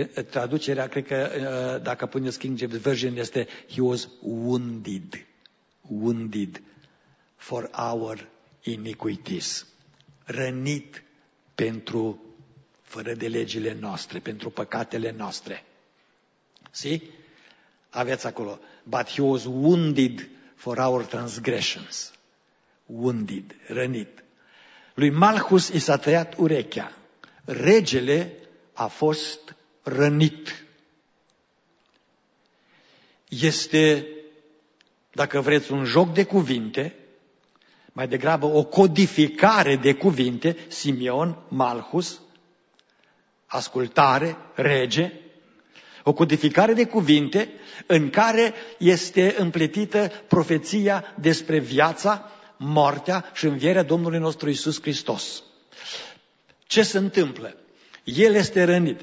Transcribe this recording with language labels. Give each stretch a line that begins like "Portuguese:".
Romanian: Traducerea, cred că, dacă puneți King James Version, este
English: he was wounded, wounded for our iniquities.
Romanian: Rănit pentru fărădelegile noastre, pentru păcatele noastre.
English: See?
Romanian: Aveți acolo.
English: But he was wounded for our transgressions.
Romanian: Wounded, rănit. Lui Malchus i s-a tăiat urechea. Regele a fost rănit. Este, dacă vreți, un joc de cuvinte, mai degrabă o codificare de cuvinte, Simeon, Malchus, ascultare, rege, o codificare de cuvinte în care este împletită profeția despre viața, moartea și învierea Domnului nostru Iisus Hristos. Ce se întâmplă? El este rănit.